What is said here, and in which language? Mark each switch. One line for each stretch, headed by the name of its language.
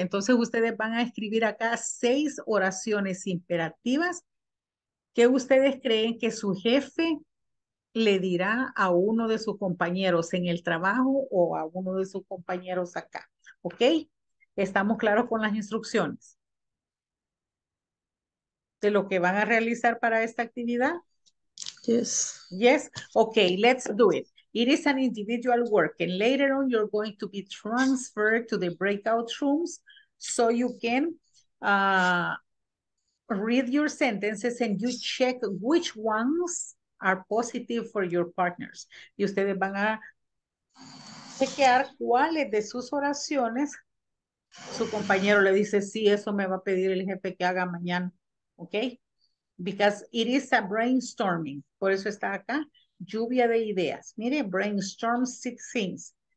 Spanish: Entonces ustedes van a escribir acá 6 oraciones imperativas que ustedes creen que su jefe le dirá a uno de sus compañeros en el trabajo o a uno de sus compañeros acá. ¿Ok? ¿Estamos claros con las instrucciones de lo que van a realizar para esta actividad?
English: Yes. Yes. Ok, let's do it. It is an individual work, and later on you're going to be transferred to the breakout rooms so you can read your sentences and you check which ones are positive for your partners.
Spanish: Y ustedes van a chequear cuáles de sus oraciones su compañero le dice, sí, eso me va a pedir el jefe que haga mañana, okay?
English: Because it is a brainstorming,
Spanish: por eso está acá. Lluvia de ideas. Miren,
English: brainstorm 6 things.